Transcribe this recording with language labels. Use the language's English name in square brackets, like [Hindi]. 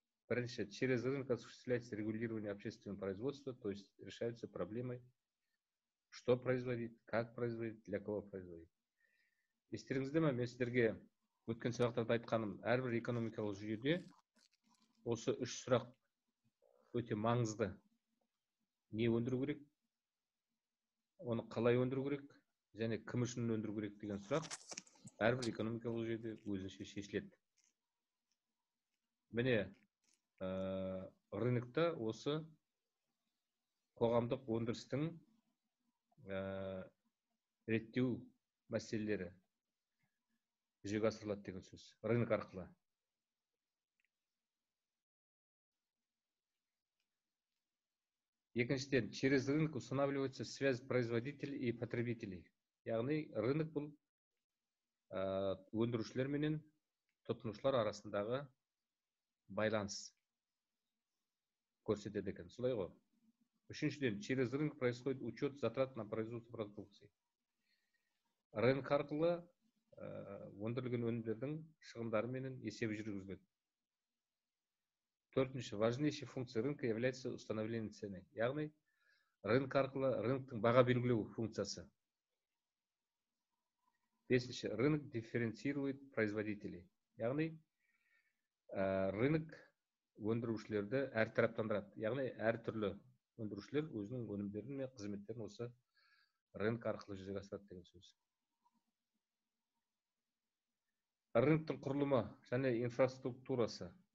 [Russian] Бірінші, через рынок осуществляется регулирование общественного производства, то есть решаются проблемой, что производить, как производить, для кого производить. [Kazakh] Естеріңізде ме, мен сіздерге өткен сұрақтарда айтқаным, әрбір экономикалық жүйеде осы үш сұрақ өте маңызды. Не өндіру керек, оны қалай өндіру керек, және кім үшін өндіру керек деген сұрақ әрбір экономикалық жүйеде өзінше шешіледі. Міне, рынокта осы қоғамдық өндірістің реттеу мәселелері жүзеге асырылады деген сөз. Рынок арқылы. [Russian] Екіншіден, через рынок устанавливается связь производителей и потребителей. [Kazakh] Яғни, рынок бұл өндірушілер менен тұтынушылар арасындағы байланс көрсетеді екен. Солай ғой. [Russian] Үшіншіден, через рынок происходит учет затрат на производство продукции. [Kazakh] Рынок арқылы өндірілген өнімдердің шығындары менен есеп жүргізіледі. [Russian] Төртінші, важнейшая функция рынка является установление цены. [Kazakh] Яғни, рынок арқылы рынктың баға белгілеу функциясы. [Russian] Бесінші, рынок дифференцирует производителей. [Kazakh] Яғни, рынок өндірушілерді әр тараптандырады. Яғни, әр түрлі өндірушілер өзінің өнімдерін мен қызметтерін осы рынок арқылы жүзеге асырады деген сөз. Рынктың құрылымы және инфраструктурасы.